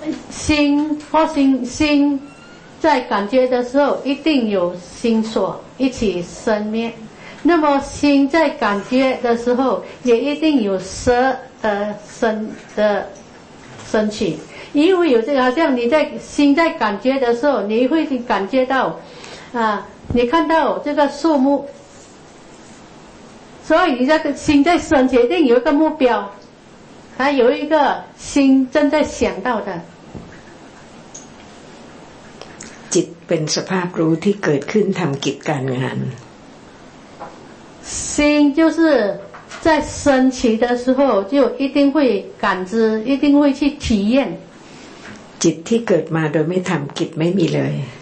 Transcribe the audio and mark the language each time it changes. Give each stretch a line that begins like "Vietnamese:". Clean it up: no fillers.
Chinese: 心或心在感觉的时候一定有心所一起生灭，那么心在感觉的时候也一定有舍的升起，因为有这个好像你在心在感觉的时候你会感觉到你看到这个树木，所以你在心在升起一定有一个目标，还有一个心正在想到的
Thai: จิตเป็นสภาพรู้ที่เกิดขึ้นทำกิจการงาน
Chinese: 心就是在升起的时候就一定会感知一定会去体验
Thai: จิตที่เกิดมาโดยไม่ทำกิจไม่มีเลย